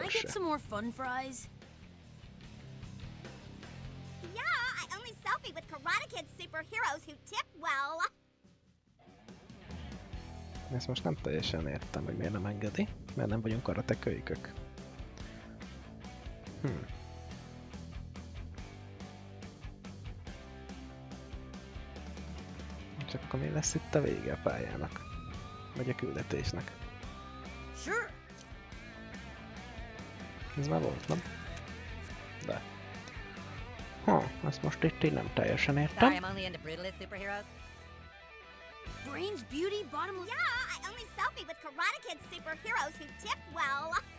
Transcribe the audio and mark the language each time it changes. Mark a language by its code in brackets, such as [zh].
[en] Can I get some more fun fries? Yeah, I only selfie with Karate Kid superheroes who tip well. [hu] Ezt most nem teljesen értem, hogy miért nem engedi, mert nem vagyunk karate kölykök. Csak akkor mi lesz itt a vége a pályának? Vagy a küldetésnek? [en] Sure. [hu] Ez már volt, nem? De. Ha, ezt most itt én nem teljesen értem. [en] Sorry, I'm only into brutalist superheroes. Brains, beauty, bottomless... Yeah, I only selfie with Karate Kid superheroes who tip well.